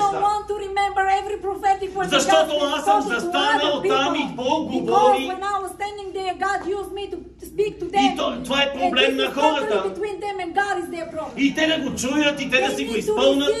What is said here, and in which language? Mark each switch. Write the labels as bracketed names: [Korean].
[English] I don't want to remember every prophetic word. [Bulgarian] Защото аз съм застанал там и Бог говори. [English] Because when I was standing there, God used me to speak to them. [Bulgarian] И това е проблем на хората. [English] Between them and God is their problem. [Bulgarian] И те да го чуят и те да си го изпълнят.